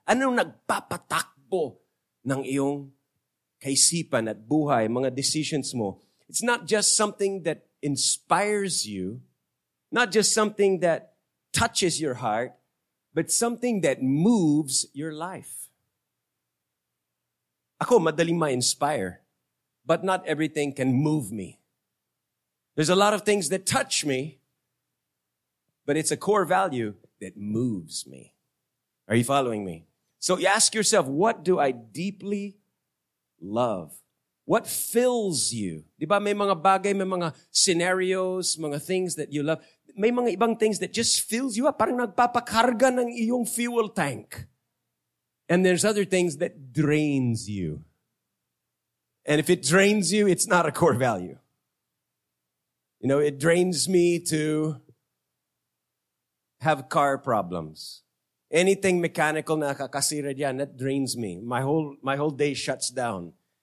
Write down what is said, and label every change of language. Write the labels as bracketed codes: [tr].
[tl] Ano nagpapatakbo ng iyong kaisipan at buhay, mga decisions mo? [en] It's not just something that inspires you, not just something that touches your heart, but something that moves your life. [tl] Ako, madaling ma-inspire, [en] but not everything can move me. There's a lot of things that touch me, but it's a core value that moves me. Are you following me? So you ask yourself, what do I deeply love? What fills you? [tl] Diba may mga bagay, may mga scenarios, mga [en] things that you love. [tl] May mga ibang [en] things that just fills you up. [tl] Parang nagpapakarga ng iyong fuel tank. [en] And there's other things that drains you. And if it drains you, it's not a core value. You know, it drains me to have car problems. Anything mechanical [tl] na kakasira dyan, [en] that drains me. My whole day shuts down.